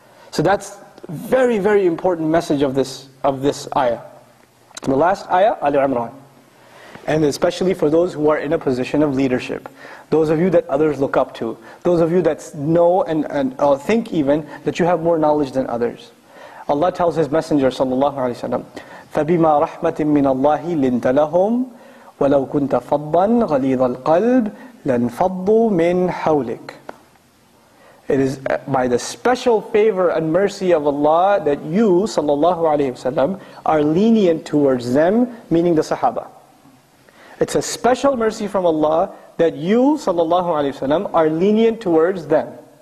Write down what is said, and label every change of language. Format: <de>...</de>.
<en>So that's very, very important message of this ayah. The last ayah, Ali Imran. And especially for those who are in a position of leadership. Those of you that others look up to. Those of you that know and think even that you have more knowledge than others. Allah tells His Messenger,</en> <ar>sallallahu alayhi wa sallam, فَبِمَا رَحْمَةٍ مِّنَ اللَّهِ لِنْتَ لَهُمْ وَلَوْ كُنْتَ فَضًّا غَلِيظَ الْقَلْبِ لَنْفَضُّوا مِّنْ حَوْلِكَ.</ar> <en>It is by the special favor and mercy of Allah that you, sallallahu alaihi wasallam, are lenient towards them, meaning the Sahaba. It's a special mercy from Allah that you, sallallahu alaihi wasallam, are lenient towards them.</en>